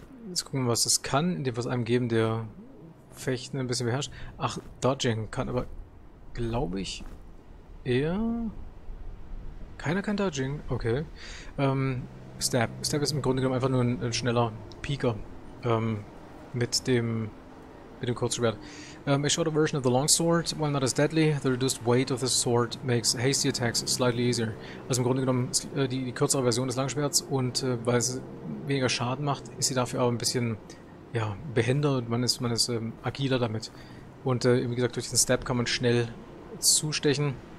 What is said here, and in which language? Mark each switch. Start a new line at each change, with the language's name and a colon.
German: Jetzt gucken wir, was das kann, indem wir es einem geben, der Fechten ein bisschen beherrscht. Ach, Dodging kann aber, glaube ich, eher. Keiner kann Dodging. Okay. Stab. Stab ist im Grunde genommen einfach nur ein schneller Piker. Mit dem Kurzschwert.
English: A shorter version of the longsword, while not as deadly, the reduced weight of the sword makes hasty attacks slightly easier.
German: Also im Grunde genommen die kürzere Version des Langschwerts und weil es weniger Schaden macht, ist sie dafür aber ein bisschen ja, behender und man ist agiler damit. Und wie gesagt, durch den Stab kann man schnell zustechen.